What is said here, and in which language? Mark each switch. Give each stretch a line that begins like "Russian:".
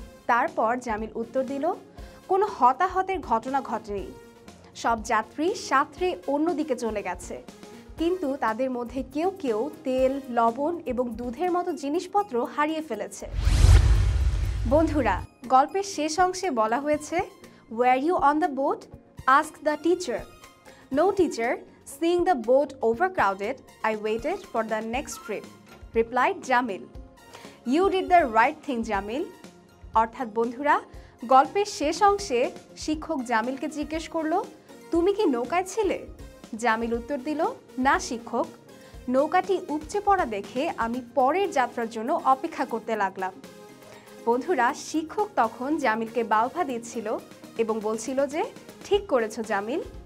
Bangla: তারপর জামিল উত্তর দিল, কোনো হতাহতের ঘটনা ঘটেনি, সব যাত্রী সাঁতরে অন্যদিকে চলে গেছে, কিন্তু তাদের মধ্যে কেউ কেউ তেল, লবণ এবং দুধের মতো জিনিসপত্র হারিয়ে ফেলেছে। বন্ধুরা, গল্পের শেষ অংশে বলা হয়েছে,
English: were you on the boat? Ask the teacher. No teacher, seeing the boat overcrowded, I waited for the next trip, replied Jamil. You did the right thing, Jamil.
Bangla: অর্থাৎ বন্ধুরা, গল্পের শেষ অংশে শিক্ষক জামিলকে জিজ্ঞেস করল, তুমি কি নৌকায় ছিলে? জামিল উত্তর দিল, না শিক্ষক, নৌকাটি উপচে পড়া দেখে আমি পরের যাত্রার জন্য অপেক্ষা করতে লাগলাম। বন্ধুরা, শিক্ষক তখন জামিলকে বাহবা দিচ্ছিল এবং বলছিল যে ঠিক করেছো জামিল।